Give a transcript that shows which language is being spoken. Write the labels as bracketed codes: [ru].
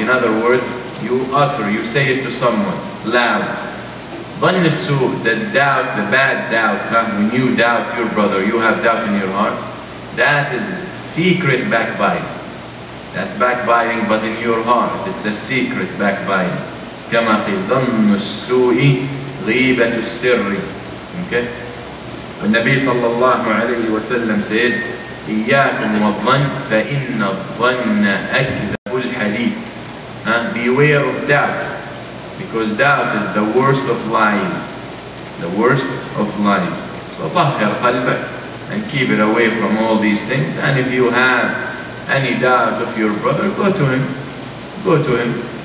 [en] In other words, you utter, you say it to someone loud. [ar] ظن السوء, [en] the doubt, the bad doubt, when you doubt your brother, you have doubt in your heart. That is secret backbiting. That's backbiting, but in your heart. It's a secret backbiting. [ar] كما قيل ظن السوء غيبة السر. [en] Okay? [ar] النبي صلى الله عليه وسلم [en] says, [ar] إياكم والظن فإن الظن أكذب الحديث. [en] beware of that, because that is the worst of lies. The worst of lies. So [ar] tahhir qalbak [en] and keep it away from all these things. And if you have any doubt of your brother, go to him. Go to him.